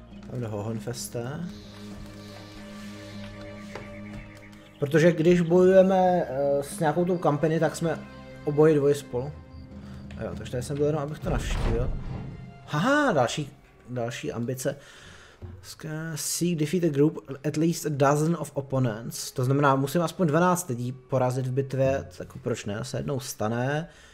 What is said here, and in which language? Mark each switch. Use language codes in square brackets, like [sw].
[cs] Tam jde Hohenfeste. Protože když bojujeme s nějakou tou kampaní, tak jsme oboje dvoje spolu. A jo, takže tady jsem byl jenom, abych to navštívil. Haha, další ambice. [en] Seek defeat a group at least a dozen of opponents. [cs] To znamená, musím aspoň 12 lidí porazit v bitvě, tak proč ne, se jednou stane.